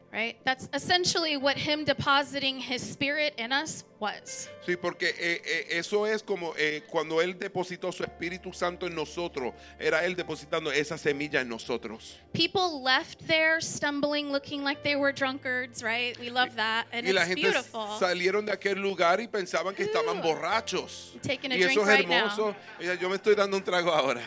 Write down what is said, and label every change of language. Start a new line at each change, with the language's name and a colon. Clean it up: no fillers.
English: Right, that's essentially what him depositing his spirit in us was.
Spanish: Sí, porque eso es como cuando él depositó su Espíritu Santo en nosotros, era él depositando esa semilla en nosotros.
English: People left there stumbling, looking like they were drunkards, right? We love that, and it's beautiful.
Spanish: Y la gente salieron de aquel lugar y pensaban que estaban borrachos.
English: Taking a
Spanish: y eso
English: drink
Spanish: es hermoso.
English: Right now.
Spanish: Yo me estoy dando un trago ahora.